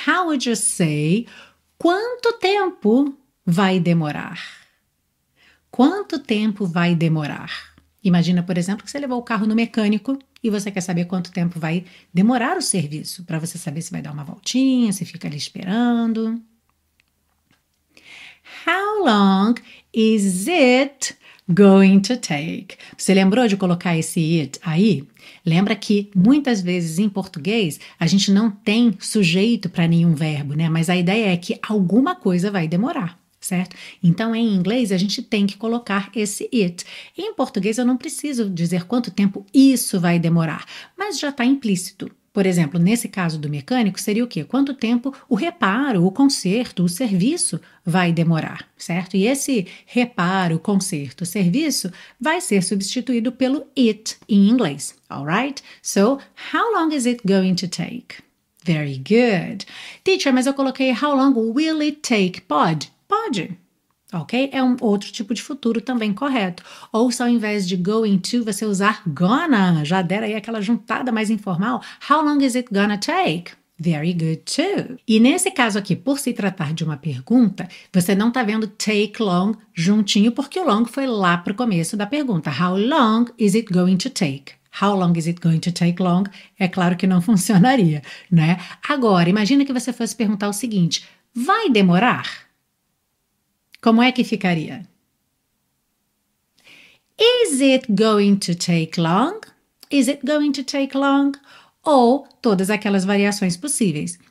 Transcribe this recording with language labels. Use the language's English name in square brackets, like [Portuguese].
[English] How would you say, [Portuguese] quanto tempo vai demorar? Quanto tempo vai demorar? Imagina, por exemplo, que você levou o carro no mecânico e você quer saber quanto tempo vai demorar o serviço. Para você saber se vai dar uma voltinha, se fica ali esperando. [English] How long is it going to take? [Portuguese] Você lembrou de colocar esse it aí? Lembra que muitas vezes em português a gente não tem sujeito para nenhum verbo, né? Mas a ideia é que alguma coisa vai demorar, certo? Então em inglês a gente tem que colocar esse it. Em português eu não preciso dizer quanto tempo isso vai demorar, mas já está implícito. Por exemplo, nesse caso do mecânico, seria o quê? Quanto tempo o reparo, o conserto, o serviço vai demorar, certo? E esse reparo, conserto, serviço vai ser substituído pelo it em inglês, alright? [English] So, how long is it going to take? Very good. Teacher, [Portuguese] mas eu coloquei [English] how long will it take? [Portuguese] Pode? Pode. [English] Ok? [Portuguese] É um outro tipo de futuro também correto. Ou se ao invés de going to, você usar gonna. Já deram aí aquela juntada mais informal. [English] How long is it gonna take? Very good too. [Portuguese] E nesse caso aqui, por se tratar de uma pergunta, você não está vendo take long juntinho, porque o long foi lá para o começo da pergunta. [English] How long is it going to take? How long is it going to take long? [Portuguese] É claro que não funcionaria, né? Agora, imagina que você fosse perguntar o seguinte. Vai demorar? Como é que ficaria? [English] Is it going to take long? Is it going to take long? [Portuguese] Ou todas aquelas variações possíveis.